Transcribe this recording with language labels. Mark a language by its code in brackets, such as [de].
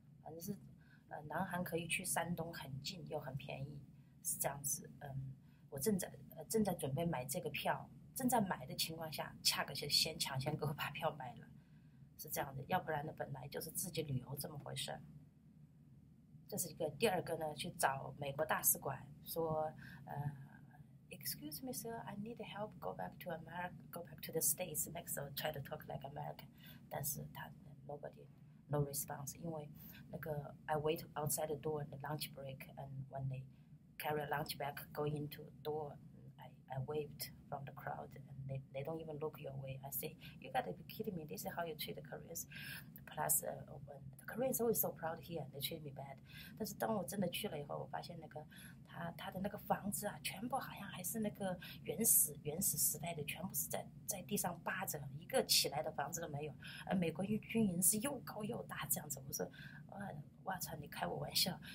[zh] 反正是南韩可以去山东，很近又很便宜，是这样子。我正在准备买这个票，正在买的情况下，恰个先抢先给我把票买了。是这样的，要不然呢，本来就是自己旅游这么回事。这是一个，第二个呢，去找美国大使馆说， [en] Excuse me, sir, I need help go back to America, go back to the States, make so try to talk like American。 [zh] 但是他 [en] nobody, no response， [zh] 因为那个 [en] I wait outside the door the lunch break, and when they carry a lunch bag go into door, I waved from the crowd and they don't even look your way. I say, you gotta be kidding me, this is how you treat the Koreans. Plus, when the Koreans are always so proud here, they treat me bad. [zh] 但是当我真的去了以后，我发现那个他的那个房子啊，全部好像还是那个原始时代的，全部是在地上扒着，一个起来的房子都没有。而美国军营是又高又大这样子，我说，哇操，你开我玩笑！